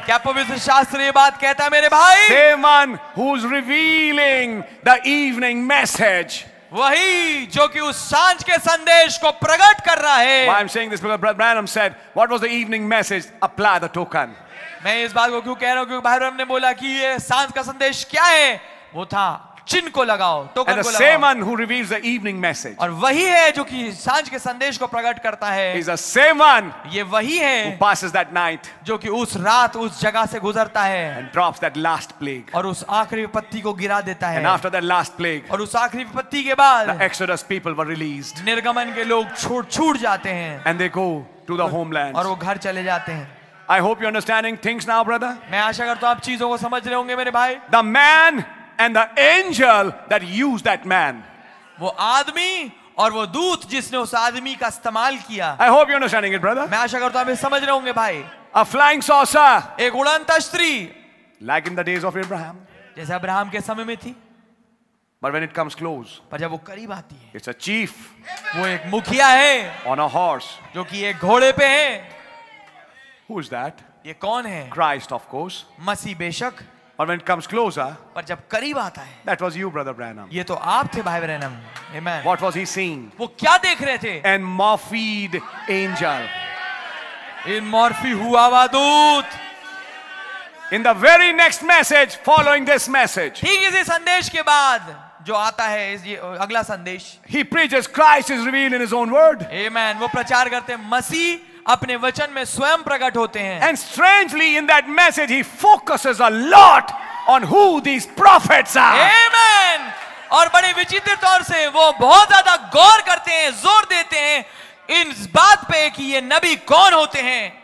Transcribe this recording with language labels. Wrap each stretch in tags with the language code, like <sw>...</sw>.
<hi>क्या पवित्र शास्त्र ये बात कहता है मेरे भाई?</hi> <en>Same one who's revealing the evening message.</en> <hi>वही जो कि उस सांझ के संदेश को प्रकट कर रहा है.</hi> <en>Why I'm saying this because Brother Branham said, "What was the evening message? Apply the token."</en> <hi>मैं इस बात को क्यों कह रहा हूँ क्योंकि भाई हमने बोला कि ये सांझ का संदेश क्या है? वो था चिन्ह को लगाओ टोकन</hi> <en>And the</en> <hi>को लगाओ</hi> <en>same one who reveals the evening message</en> <hi>और वही है जो कि सांझ के संदेश को प्रकट करता है</hi> <en>He's the same one</en> <hi>ये वही है</hi> <en>who passes that night</en> <hi>जो कि उस रात उस जगह से गुजरता है</hi> <en>And drops that last plague</en> <hi>और उस आखिरी विपत्ति को गिरा देता है</hi> <en>And after that last plague</en> <hi>और उस आखिरी विपत्ति के बाद</hi> <en>the Exodus people were released</en> <hi>निर्गमन के लोग छूट जाते हैं</hi> <en>And they go to the homeland</en> <hi>और वो घर चले जाते हैं</hi> <en>I hope you're understanding things now brother</en> <hi>मैं आशा करता हूँ आप चीजों को समझ रहे होंगे मेरे भाई</hi> <en>The man And the angel that used that man.</en> <hi>वो आदमी और वो दूत जिसने उस आदमी का इस्तेमाल किया.</hi> <en>I hope you're understanding it, brother.</en> <hi>मैं आशा करता हूँ आप समझ रहे होंगे भाई.</hi> <en>A flying saucer.</en> <hi>एक उड़ंता स्त्री.</hi> <en>Like in the days of Abraham.</en> <hi>जैसे अब्राहम के समय में थी.</hi> <en>But when it comes close.</en> <hi>पर जब वो करीब आती है.</hi> <en>It's a chief.</en> <hi>वो एक मुखिया है.</hi> <en>On a horse.</en> <hi>जो कि एक घोड़े पे है.</hi> <en>Who is that?</en> <hi>ये कौन है?</hi> <en>Christ, of course.</en> <hi>मसीह बेशक.</hi> <en>But when it comes closer,</en> <hi>पर जब करीब आता है,</hi> <en>that was you, Brother Branham.</en> <hi>ये तो आप थे, भाई Branham. Amen.</hi> <en>What was he seeing?</en> <hi>वो क्या देख रहे थे?</hi> <en>An morphed angel.</en> <hi>In morphy हुआ वादूत.</hi> <en>In the very next message, following this message.</en> <hi>ठीक इसी संदेश के बाद जो आता है ये अगला संदेश.</hi> <en>He preaches Christ is revealed in his own word. Amen.</en> <hi>वो प्रचार करते हैं मसी अपने वचन में स्वयं प्रकट होते हैं</hi> <en>and strangely in that message ही focuses a lot on who these prophets are</en> <hi>आमेन और बड़े विचित्र तौर से वो बहुत ज्यादा गौर करते हैं जोर देते हैं इन बात पे कि ये नबी कौन होते हैं</hi>